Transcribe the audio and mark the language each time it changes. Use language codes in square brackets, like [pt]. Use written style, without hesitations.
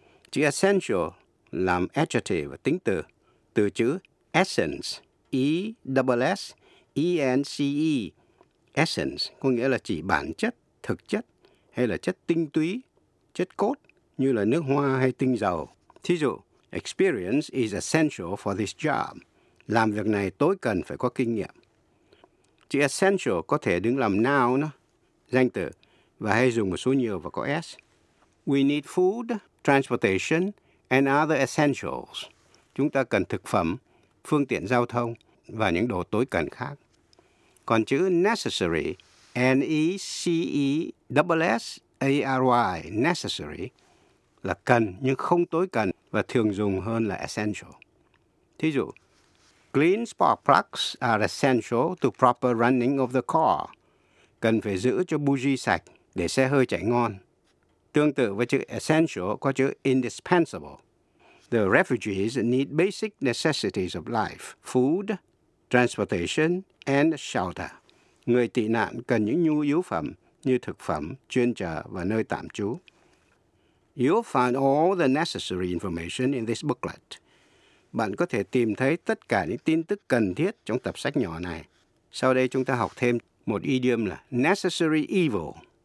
[vi] Chữ essential làm adjective và tính từ. Từ chữ essence, E-S-S-E-N-C-E, essence có nghĩa là chỉ bản chất, thực chất hay là chất tinh túy, chất cốt như là nước hoa hay tinh dầu. Thí dụ, [en] experience is essential for this job. [vi] Làm việc này tối cần phải có kinh nghiệm. Chữ essential có thể đứng làm noun, danh từ, và hay dùng một số nhiều và có S. [en] We need food, transportation, and other essentials. [vi] Chúng ta cần thực phẩm, phương tiện giao thông và những đồ tối cần khác. Còn chữ necessary, N-E-C-E-S-S-A-R-Y, necessary, là cần nhưng không tối cần và thường dùng hơn là essential. Thí dụ, [en] clean spark plugs are essential to proper running of the car. [vi] Cần phải giữ cho buji sạch để xe hơi chạy ngon. Tương tự với chữ essential có chữ indispensable. [en] The refugees need basic necessities of life, food, transportation, and shelter. [vi] Người tị nạn cần những nhu yếu phẩm như thực phẩm, chuyên chở và nơi tạm trú. [en] You'll find all the necessary information in this booklet. [vi] Bạn có thể tìm thấy tất cả những tin tức cần thiết trong tập sách nhỏ này. Sau đây chúng ta học thêm một idiom là necessary evil.